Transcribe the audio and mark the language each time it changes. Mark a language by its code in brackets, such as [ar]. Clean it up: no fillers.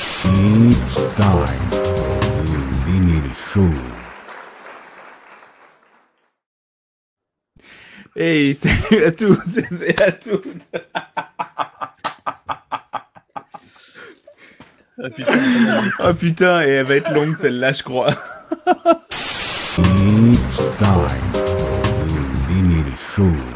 [en] It's time for the Vinyl Show. [fr] Hey, salut à tous et à toutes. Oh putain, et elle va être longue celle-là, je crois. [en] It's time for the Vinyl Show.